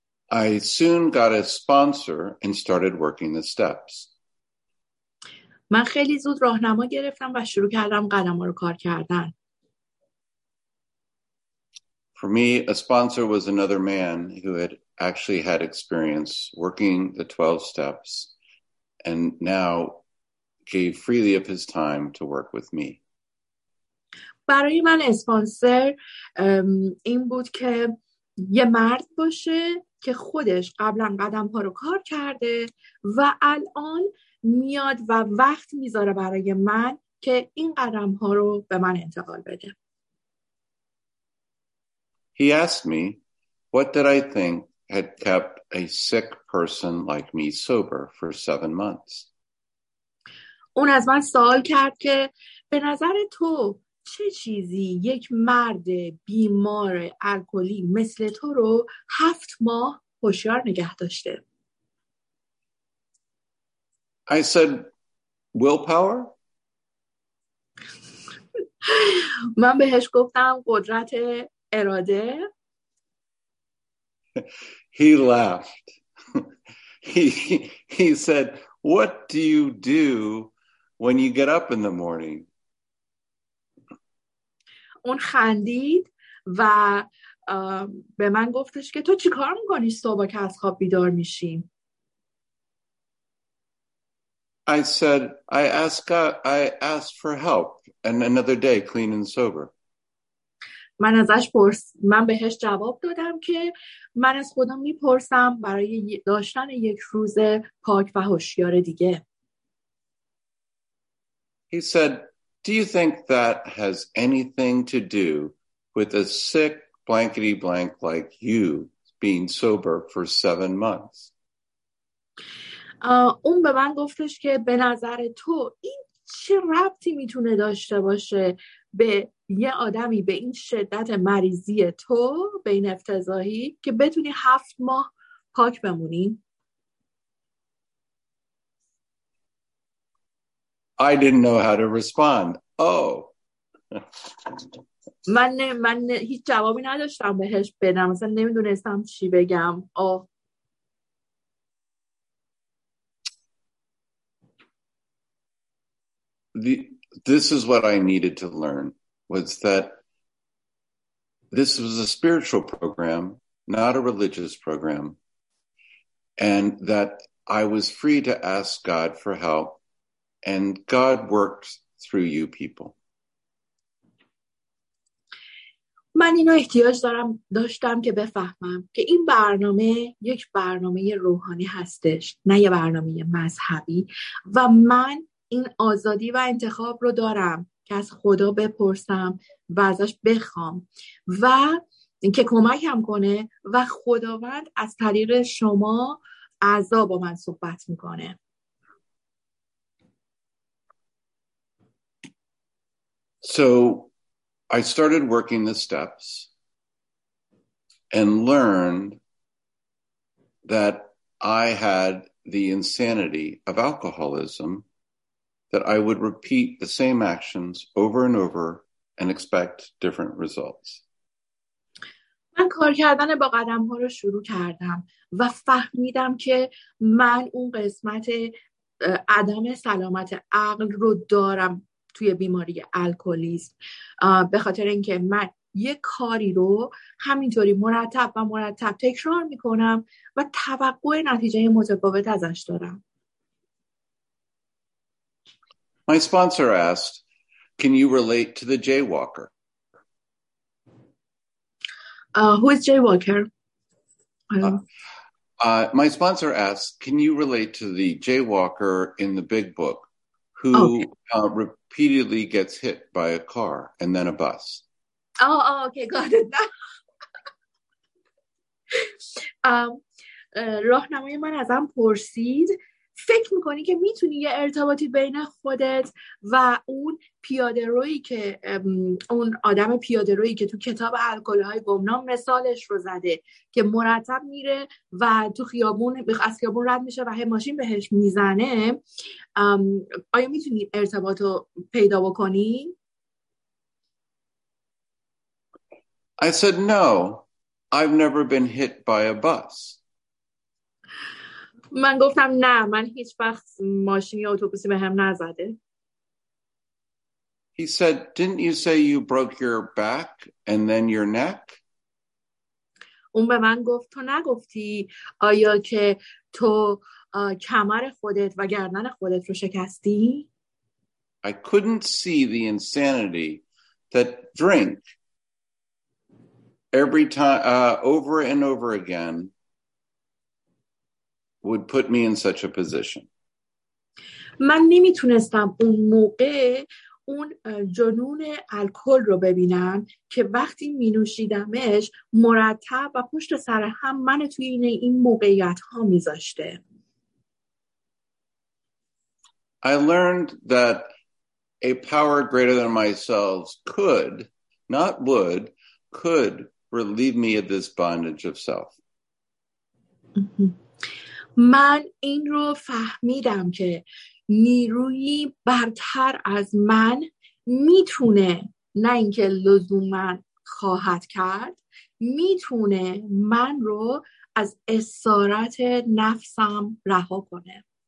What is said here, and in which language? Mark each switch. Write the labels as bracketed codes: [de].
[en] I soon got a sponsor and started working the steps. [fa] من خیلی زود راهنما گرفتم و شروع کردم قدم‌ها رو کار کردن. [en] For me, a sponsor was another man who had actually had experience working the 12 steps and now gave freely of his time to work with me. [fa] برای من اسپانسر این بود که یه مرد باشه که خودش قبلا قدم ها رو کار کرده و الان میاد و وقت میذاره برای من که این قدم ها رو به من انتقال بده. [en] He asked me, what did I think had kept a sick person like me sober for 7 months? [fa] اون از من سوال کرد که به نظر تو چه چیزی یک مرد بیمار الکلی مثل تو رو 7 ماه هوشیار نگه داشته؟ [en] I said, willpower? [fa] من بهش گفتم قدرت اراده. [en] He laughed. He said, what do you do when you get up in the morning? [fa] اون خندید و به من گفتش که تو چی کار میکنی صبح که از خواب بیدار میشی؟ [en] I said, I asked for help and another day clean and sober. [fa] من ازش من بهش جواب دادم که من از خودم میپرسم برای داشتن یک روز پاک و هوشیار دیگه. [en] He said, do you think that has anything to do with a sick blankety blank like you being sober for 7 months? [fa] اون به من گفتش که به نظر تو این چه ربطی میتونه داشته باشه به یه آدمی به این شدت مریضی تو به این افتضاحی که بتونی 7 ماه پاک بمونی؟ [en] I didn't know how to respond. Oh. [fa] من هیچ جوابی نداشتم بهش بدم. مثلا نمیدونستم چی بگم. Oh. [en] This is what I needed to learn, was that this was a spiritual program, not a religious program, and that I was free to ask God for help, and God worked through you people. [fa] من اینو احتیاج دارم داشتم که بفهمم که این برنامه یک برنامه روحانی هستش، نه یه برنامه مذهبی، و من این آزادی و انتخاب رو دارم که از خدا بپرسم و ازش بخوام و که کمکم کنه و خداوند از طریق شما اعضا با من صحبت میکنه. [en] So I started working the steps and learned that I had the insanity of alcoholism, that I would repeat the same actions over and over and expect different results. [fa] من کار کردن با قدم ها رو شروع کردم و فهمیدم که من اون قسمت عدم سلامت عقل رو دارم توی بیماری الکلیسم، به خاطر اینکه من یه کاری رو همینطوری مرتب و مرتب تکرار میکنم و توقع نتیجه متفاوت ازش دارم. [en] My sponsor asked, can you relate to the jaywalker? Who is jaywalker? My sponsor asked, can you relate to the jaywalker in the big book who repeatedly gets hit by a car and then a bus? Oh, okay, got it. [fa] راهنمای من ازم پرسید، فکر میکنی که میتونی یه ارتباطی بین خودت و اون پیاده رویی که اون آدم پیاده رویی که تو کتاب الکل‌های گمنام مثالش رو زده که مرتب میره و تو خیابون از خیابون رد میشه و هی ماشین بهش میزنه، آیا میتونی ارتباط رو پیدا بکنی؟ [en] I said no, I've never been hit by a bus. [fa] من گفتم نه، من هیچ وقت ماشینی یا اتوبوسی به هم نزده. [en] He said, didn't you say you broke your back and then your neck? [fa] اون به من گفت، تو نگفتی آیا که تو کمر خودت و گردن خودت رو شکستی؟ [en] I couldn't see the insanity that that drink every time, over and over again, would put me in such a position. [fa] من نمیتونستم اون موقع اون جنون الکل رو ببینم که وقتی مینوشیدمش مرتب و پشت سر هم من توی این موقعیت ها میذاشته. [en] I learned that a power greater than myself could, not would, could relieve me of this bondage of self. [fa] من این رو فهمیدم که نیروی برتر از من میتونه، نه اینکه لزوم من خواهد کرد، میتونه من رو از اسارت نفسم رها کنه.